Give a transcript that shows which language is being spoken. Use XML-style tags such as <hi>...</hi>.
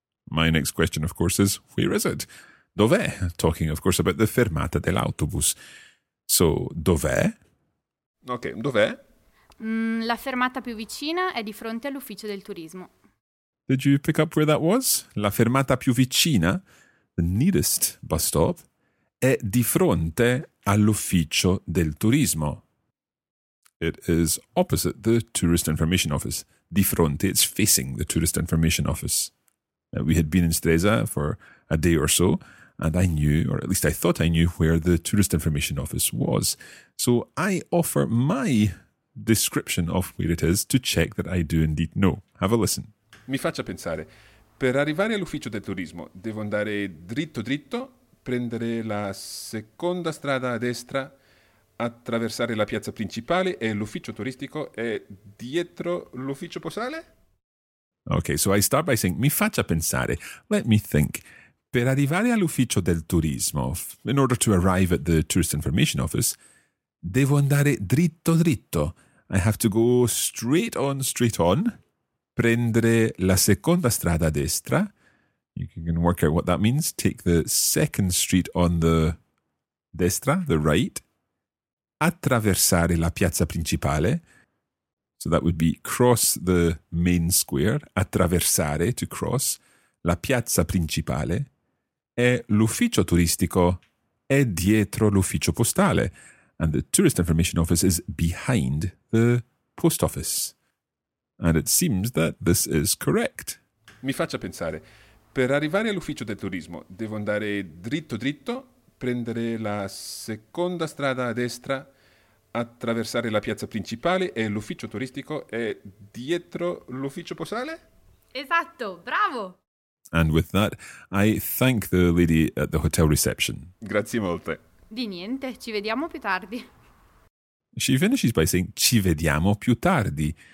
<en>My next question, of course, is where is it?</en> <it>Dov'è?</it> <en>Talking, of course, about the</en> <it>fermata dell'autobus.</it> <en>So,</en> <it>dov'è? Ok, dov'è? La fermata più vicina è di fronte all'ufficio del turismo.</it> <en>Did you pick up where that was?</en> <it>La fermata più vicina,</it> <en>the nearest bus stop,</en> <it>è di fronte all'ufficio del turismo.</it> <en>It is opposite the tourist information office.</en> <it>Di fronte,</it> <en>it's facing the tourist information office. We had been in Stresa for a day or so, and I knew, or at least I thought I knew, where the tourist information office was. So I offer my description of where it is to check that I do indeed know. Have a listen.</en> <it>Mi faccia pensare. Per arrivare all'ufficio del turismo, devo andare dritto dritto, prendere la seconda strada a destra, attraversare la piazza principale e l'ufficio turistico è dietro l'ufficio postale?</it> <en>Okay, so I start by saying,</en> <it>mi faccia pensare,</it> <en>let me think.</en> <it>Per arrivare all'ufficio del turismo,</it> <en>in order to arrive at the tourist information office,</en> <it>devo andare dritto dritto.</it> <en>I have to go straight on, straight on.</en> <it>Prendere la seconda strada a destra.</it> <en>You can work out what that means. Take the second street on the destra, the right.</en> <it>Attraversare la piazza principale.</it> <en>So that would be cross the main square,</en> <it>attraversare,</it> <en>to cross,</en> <it>la piazza principale, e l'ufficio turistico è dietro l'ufficio postale,</it> <en>and the tourist information office is behind the post office. And it seems that this is correct.</en> <it>Mi faccia pensare, per arrivare all'ufficio del turismo devo andare dritto dritto, prendere la seconda strada a destra, attraversare la piazza principale e l'ufficio turistico è dietro l'ufficio postale? Esatto, bravo!</it> <en>And with that, I thank the lady at the hotel reception.</en> <it>Grazie molte. Di niente, ci vediamo più tardi.</it> <en>She finishes by saying,</en> <it>ci vediamo più tardi.</it>